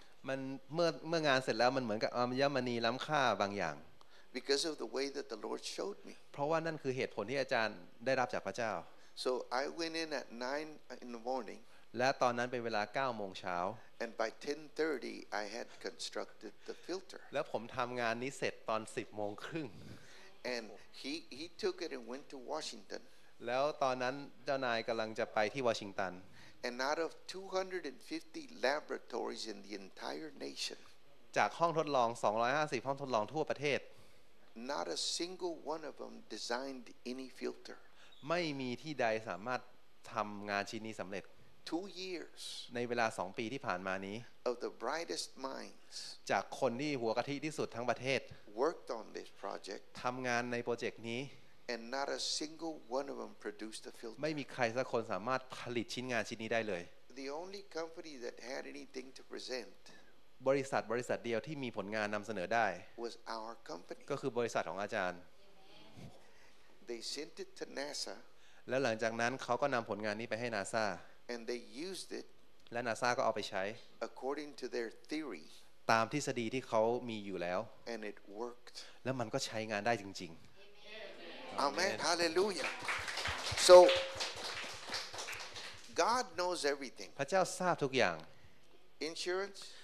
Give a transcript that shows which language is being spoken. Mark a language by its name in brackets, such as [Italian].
[Thai] มันเมื่องานเสร็จแล้วมันเหมือนกับอัญมณีล้ำค่าบางอย่าง [English] Because of the way that the Lord showed me [Thai] เพราะว่านั่นคือเหตุผลที่อาจารย์ได้รับจากพระเจ้า [English] So I went in at 9 in the morning [Thai] และตอนนั้นเป็นเวลา 9:00 น. [English] And by 10:30 I had constructed the filter [Thai] แล้วผมทำงานนี้เสร็จตอน 10:30 [English] And he took it and went to Washington [Thai] แล้วตอนนั้นเจ้านายกำลังจะไปที่วอชิงตัน [English] And out of 250 laboratories in the entire nation, [Thai] จากห้องทดลอง250ห้องทดลองทั่วประเทศ [English] not a single one of them designed any filter. [Thai] ไม่มีที่ใดสามารถทำงานชิ้นนี้สำเร็จ [English] Two years. [Thai] ในเวลา2ปีที่ผ่านมานี้ [English] of the brightest minds. [Thai] จากคนที่หัวกะทิที่สุดทั้งประเทศ [English] worked on this project. [Thai] ทำงานในโปรเจกต์นี้ [English] And not a single one of them produced a filter. [Thai] ไม่มีใครสักคนสามารถผลิตชิ้นงานชิ้นนี้ได้เลย [English] The only company that had anything to present. [Thai] บริษัทเดียวที่มีผลงานนำเสนอได้ [English] was our company. [Thai] ก็คือบริษัทของอาจารย์ [English] They sent it to NASA. [Thai] และหลังจากนั้นเขาก็นำผลงานนี้ไปให้ NASA. [English] And they used it. [Thai] และ NASA ก็เอาไปใช้ [English] According to their theory. [Thai] ตามทฤษฎีที่เขามีอยู่แล้ว [English] And it worked. [Thai] และมันก็ใช้งานได้จริงๆ [English] Amen. Hallelujah. So, God knows everything. [Thai] พระเจ้าทราบทุกอย่าง [English] Insurance.